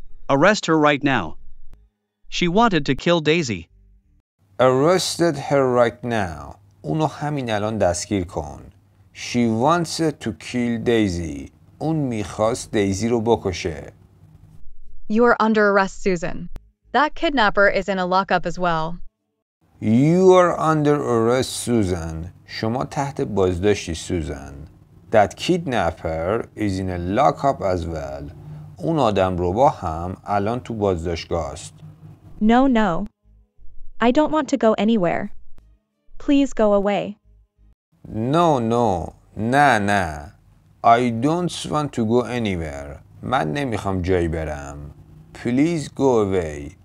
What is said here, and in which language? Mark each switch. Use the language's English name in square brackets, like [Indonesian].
[English] Arrest her right now. She wanted to kill Daisy. Arrested her right now. [Persian] اونو همین الان دستگیر کن. [English] She wants to kill Daisy. [Persian] اون میخواست دیزی رو بکشه. [English] You are under arrest, Susan. That kidnapper is in a lockup as well. You are under arrest, Susan. [Persian] شما تحت بازداشتی, [English] Susan. That kidnapper is in a lockup as well. [Persian] اون آدم ربا هم الان تو بازداشتگاه است. [English] No, no. I don't want to go anywhere. Please go away. No, no. [Persian] نه, نه. [English] I don't want to go anywhere. [Persian] من نمیخوام جایی برم. [English] Please go away.